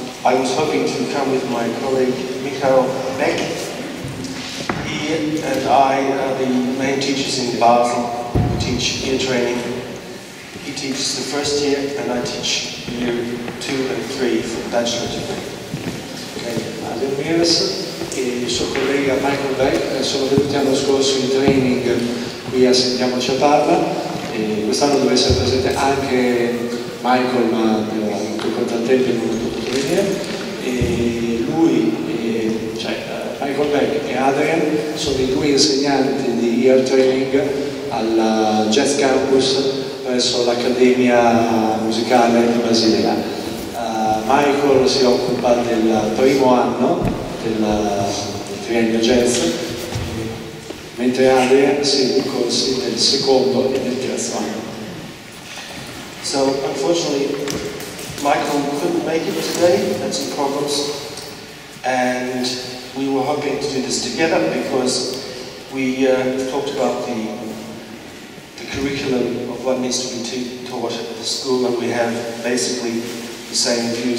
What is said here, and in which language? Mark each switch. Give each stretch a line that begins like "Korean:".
English: I was hoping to come with my colleague Michael Beck. He and I are the main teachers in Basel. We teach year training. He teaches the first year, and I teach year 2 and 3 for the bachelor degree.
Italian: Yes, e suo collega Michael Beck, sono venuti l'anno scorso in training qui a Sentiamoci a Parma. E quest'anno deve essere presente anche Michael, ma in quel contrattempo non ho potuto venire. E lui, cioè Michael Beck e Adrian, sono i due insegnanti di year training al Jazz Campus presso l'Accademia Musicale di Basilea. Michael si occupa del primo anno del triennio jazz, mentre Adrian si occupa del secondo e del terzo anno.
English: So, unfortunately, Michael couldn't make it today, had some problems, and we were hoping to do this together because we talked about the curriculum of what needs to be taught at the school, and we have basically the same view.